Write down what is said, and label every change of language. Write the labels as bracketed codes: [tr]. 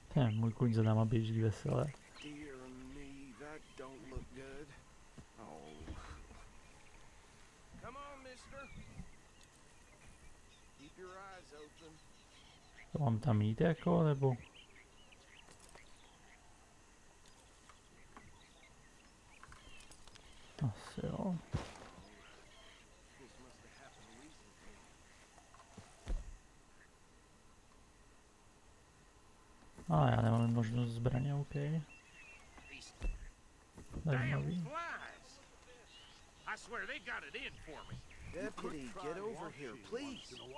[cs] Můj kuň za náma běží veselé. [en] Dear me, that don't look good. Oh. Come on, mister. Keep your eyes open. [cs] To mám tam jít jako, nebo? Asi jo. A já nemám možnost zbraně, OK. Zajímavý. [en] I swear they got it in for me. Deputy, get over here, please.